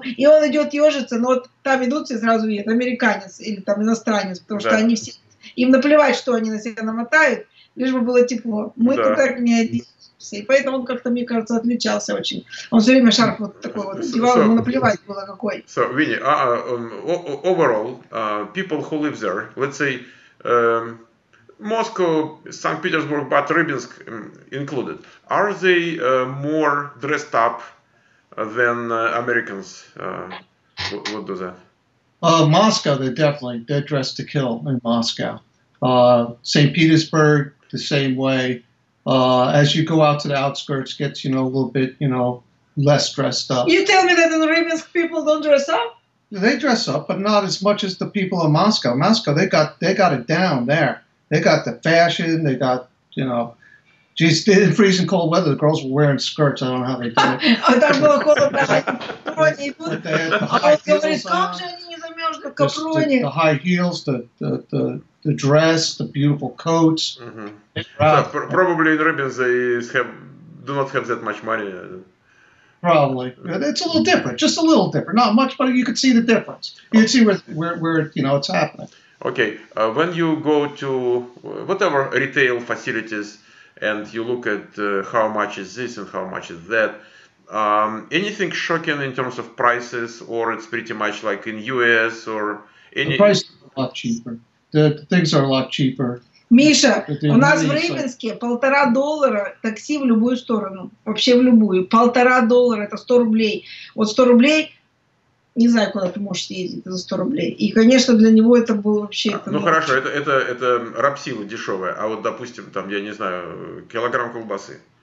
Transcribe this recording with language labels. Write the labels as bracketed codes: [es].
[ru] И он идет ежиться, но вот там идут все сразу, едет американец или там иностранец, потому что они все... Им наплевать, что они на себя намотают, лишь бы было тепло. Мы тут так не оделись. И поэтому он как-то, мне кажется, отличался очень. Он все время шарф вот такой вот надевал, ему наплевать было какой. [en] So, Vinny, overall, people who live there, let's say, Moscow, St. Petersburg, but Rybinsk included, are they more dressed up than Americans? What does that? Moscow, they're definitely dressed to kill in Moscow. St. Petersburg, the same way. As you go out to the outskirts, gets, you know, a little bit, you know, less dressed up. You tell me that in Rybinsk people don't dress up? They dress up, but not as much as the people in Moscow. Moscow, they got it down there. They got the fashion, they got, you know, geez, in freezing cold weather, the girls were wearing skirts. I don't know how they did it. [ru] Там было холодно. Они будут. А если как же они замерзли, капроне? [en] The high heels, the dress, the beautiful coats. Probably in Rybinsk do not have that much money. Probably. It's a little different, just a little different. Not much, but you could see the difference. You could see where you know, it's happening. Okay. When you go to whatever retail facilities and you look at how much is this and how much is that, anything shocking in terms of prices, or it's pretty much like in US or any... The prices are a lot cheaper. The things are a lot cheaper. [ru] Миша, у нас в Рыбинске $1.50 такси в любую сторону, вообще в любую. $1.50 – это 100 рублей. Вот 100 рублей, не знаю, куда ты можешь съездить за 100 рублей. И, конечно, для него это было вообще... Это, ну, хорошо, это рабсила дешевая. А вот, допустим, там, я не знаю, килограмм колбасы.